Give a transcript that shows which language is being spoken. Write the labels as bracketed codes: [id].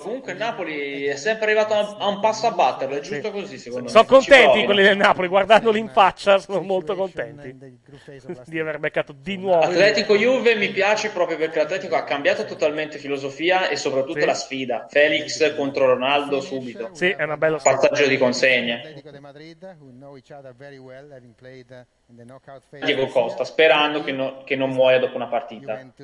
[it] Comunque il Napoli è sempre arrivato a un passo a batterlo. È giusto sì. Così, secondo me. Sono contenti quelli del Napoli, guardandoli in faccia, sono molto contenti di aver beccato di nuovo. Atletico-Juve mi piace proprio perché l'Atletico ha cambiato totalmente filosofia e soprattutto la sfida. Felix contro Ronaldo subito. Sì, è una bella sfida. Passaggio di consegne. [en] Madrid, who know each other very well, having played in the knockout phase. [it] Diego Costa, sperando che non muoia dopo una partita.